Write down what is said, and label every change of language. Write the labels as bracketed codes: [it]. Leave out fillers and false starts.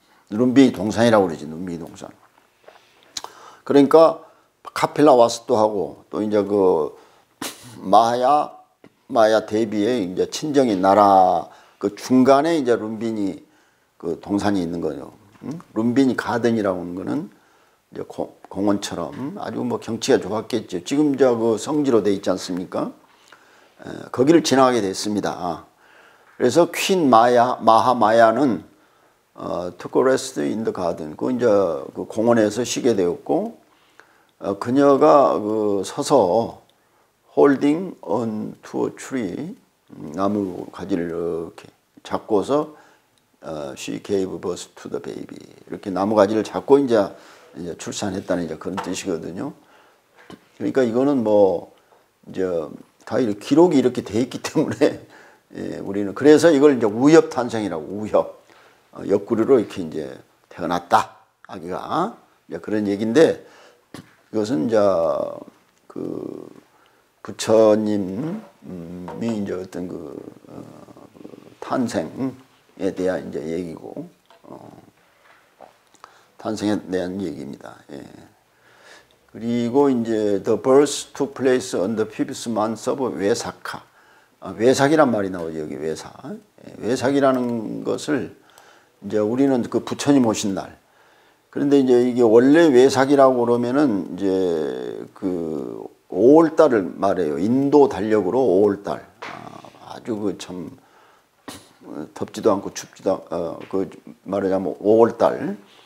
[ko] 눈비의 동산이라고 그러지, 눈비의 동산. 그러니까 카필라 와스도 하고 또 이제 그 마야 대비의 이제 친정의 나라 그 중간에 이제 룸비니 그 동산이 있는 거죠. 룸비니 가든이라고 하는 거는 이제 공원처럼 아주 뭐 경치가 좋았겠죠. 지금 저 그 성지로 돼 있지 않습니까? 거기를 지나가게 됐습니다. 그래서 퀸 마하마야는 [en] took a rest in the garden. [ko] 그 이제 그 공원에서 쉬게 되었고 그녀가 그 서서 [en] holding on to a tree, [ko] 나무 가지를 이렇게 잡고서 [en] she gave birth to the baby. [ko] 이렇게 나무 가지를 잡고 이제 출산했다는 이제 그런 뜻이거든요. 그러니까 이거는 뭐 이제 다 이렇게 기록이 이렇게 돼 있기 때문에 예, 우리는 그래서 이걸 이제 우엽 탄생이라고 우엽 옆구리로 이렇게 이제 태어났다 아기가 이제 그런 얘기인데 이것은 이제 그 부처님이 이제 어떤 그 탄생에 대한 이제 얘기고 탄생에 대한 얘기입니다. 예. 그리고 이제 [en] the birth took place on the fifth month of Vesak. [ko] 왜삭이란 말이 나오죠. 여기 왜삭. 예. 왜삭이라는 것을 이제 우리는 그 부처님 오신 날. 그런데 이제 이게 원래 왜삭이라고 그러면은 이제 그 5월달을 말해요. 인도 달력으로 5월달. 아주 그 참 덥지도 않고 춥지도 않고 그 말하자면 5월달.